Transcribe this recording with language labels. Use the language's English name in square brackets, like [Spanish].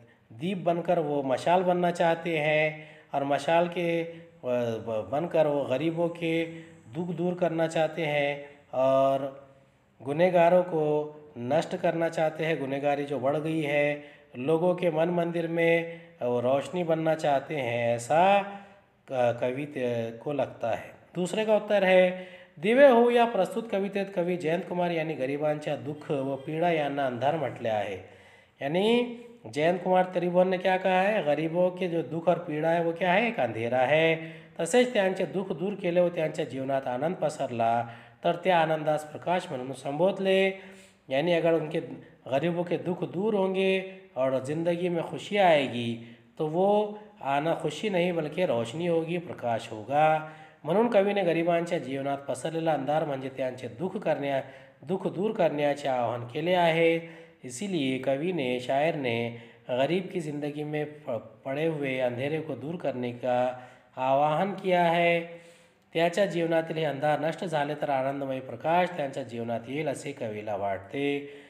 [Hindi] दीप बनकर वो मशाल बनना चाहते हैं, और मशाल के बनकर वो गरीबों के दुख दूर करना चाहते हैं, और गुनहगारों को नष्ट करना चाहते हैं, गुनहगारी जो बढ़ गई है, लोगों के मन मंदिर में वो रोशनी बनना चाहते हैं, ऐसा कवि को लगता है। दूसरे का उत्तर है [Marathi] दिवे हो या प्रस्तुत कवितेत कवी जयंत कुमार यांनी गरिबांच्या दुःख व पीडा यांना अंधार म्हटले आहे. [Hindi] यांनी जयंत कुमार त्रिभुवन ने क्या कहा है, गरीबों के जो दुख और पीड़ा है वो क्या है, एक अंधेरा है. [Marathi] तसेच त्यांचे दुख दूर केले व त्यांच्या जीवनात आनंद पसरला तर त्या आनंदास प्रकाश म्हणून संबोधले. [Hindi] यानी अगर उनके गरीबों के दुख दूर होंगे और जिंदगी में खुशी आएगी तो वो आना खुशी नहीं बल्कि रोशनी होगी, प्रकाश होगा. [Marathi] म्हणून कवीने गरिबांच्या जीवनात पसरलेला अंधार म्हणजे त्यांचे दुःख दूर करण्याचे आवाहन केले आहे. [Hindi] इसीलिए कवीने शायरने गरीब की जिंदगी में पड़े हुए अंधेरे को दूर करने का आवाहन किया है. [Marathi] त्याच्या जीवनातील हे अंधार नष्ट झाले तर आनंदमय प्रकाश त्यांच्या जीवनात येईल असे कवीला वाटते.